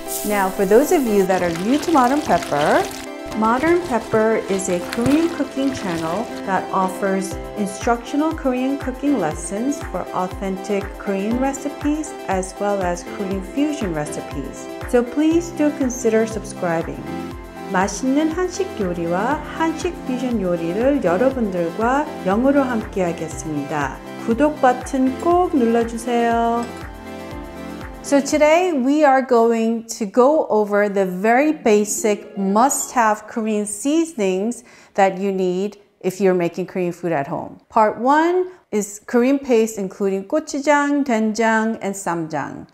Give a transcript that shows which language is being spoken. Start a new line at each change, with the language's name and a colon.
English: Now, for those of you that are new to Modern Pepper, Modern Pepper is a Korean cooking channel that offers instructional Korean cooking lessons for authentic Korean recipes as well as Korean fusion recipes. So please do consider subscribing.
Korean: 맛있는 한식 요리와 한식 퓨전 요리를 여러분들과 영어로 함께 하겠습니다. 구독 버튼 꼭 눌러주세요.
English: So today we are going to go over the very basic must-have Korean seasonings that you need if you're making Korean food at home. Part 1 is Korean paste including gochujang, doenjang, and ssamjang.